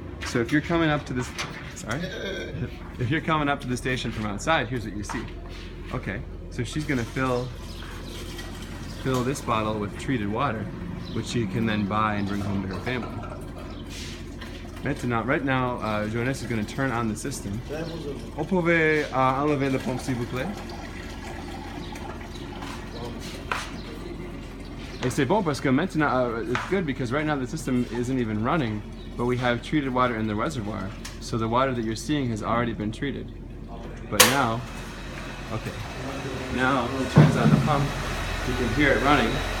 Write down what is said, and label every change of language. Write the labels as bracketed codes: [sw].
[en] So if you're coming up to this, sorry. If you're coming up to the station from outside, here's what you see. Okay, so she's gonna fill this bottle with treated water, which she can then buy and bring home to her family. [fr] Maintenant, [en] right now, Jonas is gonna turn on the system. [fr] On pouvez enlever la pompe, s'il vous plaît? Et c'est bon parce que maintenant, [en] it's good because right now the system isn't even running, but we have treated water in the reservoir. So the water that you're seeing has already been treated. But now, okay. Now, it turns on the pump. You can hear it running.